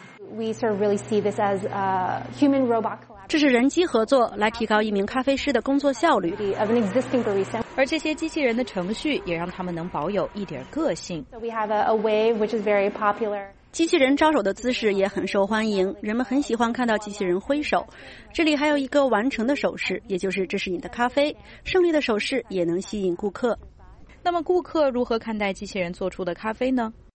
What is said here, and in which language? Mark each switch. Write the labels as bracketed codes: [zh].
[en] We sort of really see this as a human robot. [zh] 这是人机合作来提高一名咖啡师的工作效率。而这些机器人的程序也让他们能保有一点个性。 [en] So we have a wave which is very popular. [zh] 机器人招手的姿势也很受欢迎，人们很喜欢看到机器人挥手。这里还有一个完成的手势，也就是这是你的咖啡。胜利的手势也能吸引顾客。那么顾客如何看待机器人做出的咖啡呢？